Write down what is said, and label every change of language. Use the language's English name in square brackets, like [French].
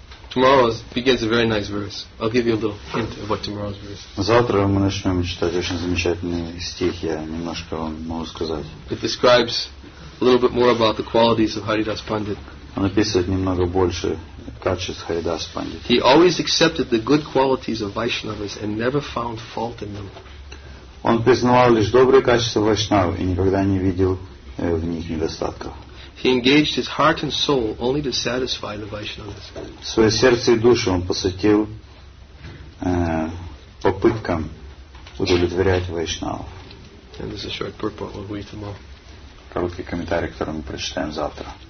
[English] Tomorrow begins a very nice verse. I'll give you a little hint of what tomorrow's verse. [Russian] Завтра мы начнем читать очень замечательный стих. Я немножко вам могу сказать. [English] It describes a little bit more about the qualities of Haridas Pandit. [Russian] Он описывает немного больше качеств Харидас Пандита. [English] He always accepted the good qualities of Vaishnavas and never found fault in them. [Russian] Он признавал лишь добрые качества вайшнав и никогда не видел в них недостатков. [English] He engaged his heart and soul only to satisfy the Vaishnavas. [Russian] Свое сердце и душу он посвятил попыткам удовлетворять вайшнав. [English] And this is a short purport we'll read tomorrow. [Russian] Короткий комментарий, который мы прочитаем завтра.